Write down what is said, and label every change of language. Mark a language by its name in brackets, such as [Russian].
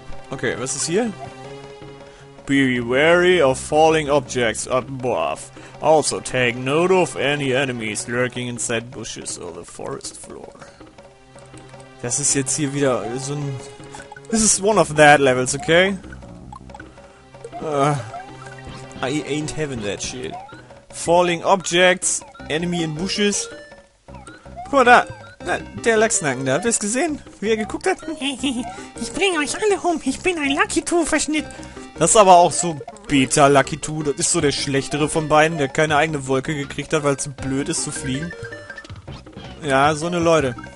[German] Okay, was ist hier? [English] Be wary of falling objects above. Also take note of any enemies lurking inside bushes or the forest floor. [German] Das ist jetzt hier wieder so ein. [English] This is one of that levels, okay? I ain't having that shit. Falling objects, enemy in bushes. [German] Guck mal da! Na, der Lachsnacken, da habt ihr es gesehen, wie er geguckt hat? Ich bringe euch alle um, ich bin ein Lucky-Two-Verschnitt. Das ist aber auch so Beta-Lucky-Two, das ist so der schlechtere von beiden, der keine eigene Wolke gekriegt hat, weil es blöd ist zu fliegen. Ja, so eine Leute.